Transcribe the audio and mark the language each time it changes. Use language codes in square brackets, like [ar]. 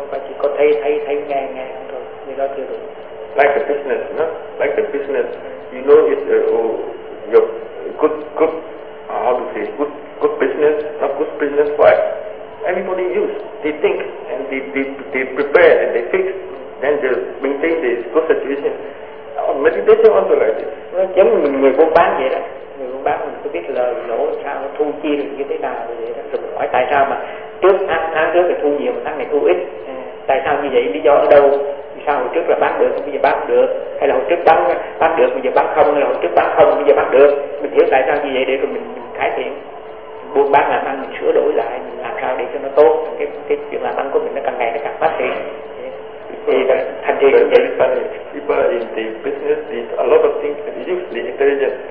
[en] But you got [vi] thấy nghe thôi, đó chưa đủ. [en] Like a business, no? Like a business, you know it's good business, not good business. Why? Everybody use, they think, and they prepare and they fix, then they maintain this good situation. Meditation also like this. [vi] Giống như người buôn bán vậy đó. Người buôn bán mình có biết lời lỗ sao, thu chi được như thế nào vậy đó. Rồi hỏi tại sao mà trước tháng trước thì thu nhiều mà tháng này thu ít. Tại sao như vậy, lý do ở đâu? Sao hồi trước là bán được, bây giờ bán được? Hay là hồi trước bán được, bây giờ bán không? Hay là hồi trước bán không, bây giờ bán được? Mình hiểu tại sao như vậy để rồi mình cải thiện. Buôn bán làm ăn mình sửa đổi lại, mình làm sao để cho nó tốt. Cái chuyện làm ăn của mình nó càng ngày nó càng phát triển. [en] People in the business did a lot of things and use the intelligence.